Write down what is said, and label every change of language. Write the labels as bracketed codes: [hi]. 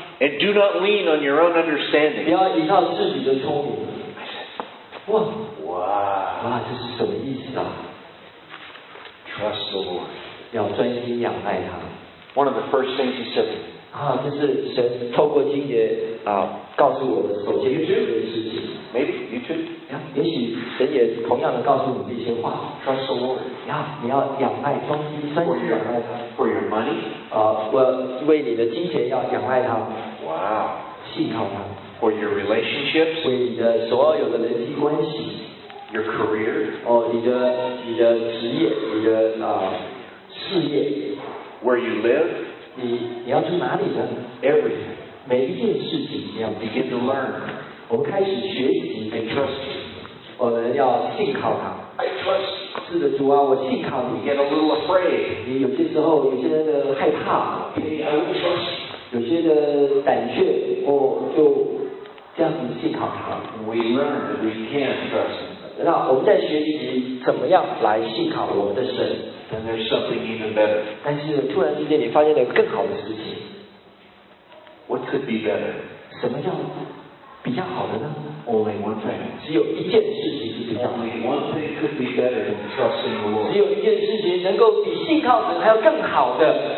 [en] And do not lean on your own understanding. [zh] 不要依靠自己的聪明。哇。哇。哇，这是什么意思啊？ [en] Trust the Lord. [zh] 要专心仰赖他。 [en] One of the first things he said. [zh] 啊，这是神透过经节啊告诉我的首先的事情。 [en] Maybe you too. [zh] 也许神也同样的告诉你这些话。 [en] Trust the Lord. [zh] 呀，你要仰赖，专心专心仰赖他。 [en] For your money. [zh] 啊，我为你的金钱要仰赖他。 [en] Wow. [zh] 信靠他。 [en] For your relationships. [zh] 为你的所有的人际关系。 [en] Your career. [zh] 哦，你的职业，你的啊事业。 [en] Where you live. [zh] 你要住哪里的 [en] ？Everything. [zh] 每一件事情你要 [en] begin to learn. [zh] 我们开始学习。 [en] And trust. [zh] 我们要信靠他。 [en] I trust. [zh] 是的，主啊，我信靠你。 [en] Get a little afraid. [zh] 你有些时候有些的害怕。 [en] Okay, I will trust. [zh] 有些的胆怯，哦，就这样子信靠他。 [en] We learn that we can trust. [zh] 那我们在学习怎么样来信靠我们的神。 [en] Then there's something even better. [zh] 但是突然之间你发现了更好的事情。 [en] What could be better? [zh] 什么叫比较好的呢？ [en] Only one thing. [zh] 只有一件事情是比较好的。 [en] Only one thing could be better than trusting the Lord. [zh] 只有一件事情能够比信靠神还要更好的。